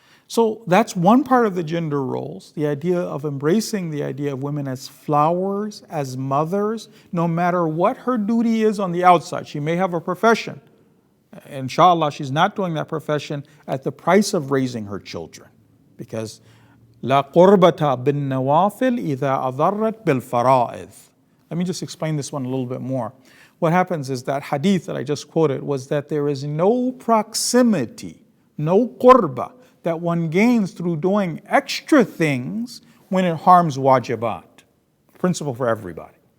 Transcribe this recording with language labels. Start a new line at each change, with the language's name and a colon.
English: So that's one part of the gender roles, the idea of embracing the idea of women as flowers, as mothers, no matter what her duty is on the outside. She may have a profession. Inshallah, she's not doing that profession at the price of raising her children. Because
Arabic: لا قربت بالنوافل إذا أضرت بالفرائض.
English: Let me just explain this one a little bit more. What happens is that hadith that I just quoted was that there is no proximity, no qurba, that one gains through doing extra things when it harms wajibat. Principle for everybody.